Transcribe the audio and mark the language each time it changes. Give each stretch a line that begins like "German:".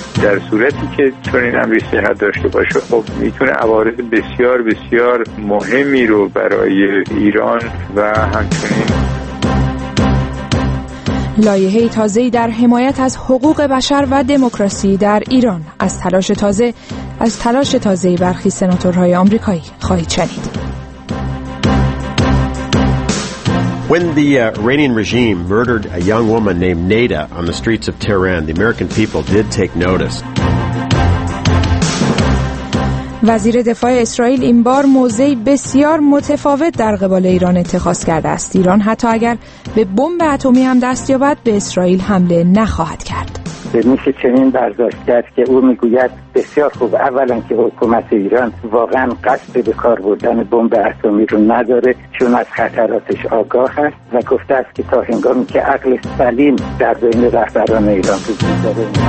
Persian: در صورتی که چنین امری صحت داشته باشه، خب میتونه عوارض بسیار بسیار مهمی رو برای ایران و همچنین لایحه تازه‌ای در حمایت از حقوق بشر و دموکراسی در ایران از تلاش تازه‌ای برخی سناتورهای آمریکایی خواهید شنید.
English: When the Iranian regime murdered a young woman named Nada on the streets of Tehran, the American people did take notice.
Persian: وزیر دفاع اسرائیل این بار موضعی بسیار متفاوت در قبال ایران اتخاذ کرده است. ایران حتی اگر به بمب اتمی هم دست یابد به اسرائیل حمله نخواهد کرد. میشه چنین برداشت کرد که او میگوید بسیار خوب، اولا که حکومت ایران واقعا قصد به کار بردن بمب اتمی رو نداره چون از خطراتش آگاه است و گفته است که تا هنگامی که عقل سلیم در بین رهبران ایران رو بگذاره.